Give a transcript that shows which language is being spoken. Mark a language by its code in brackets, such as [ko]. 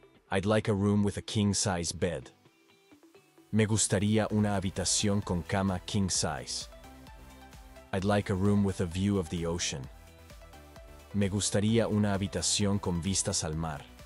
[en] I'd like a room with a king-size bed. [es] Me gustaría una habitación con cama king-size. [en] I'd like a room with a view of the ocean. [es] Me gustaría una habitación con vistas al mar.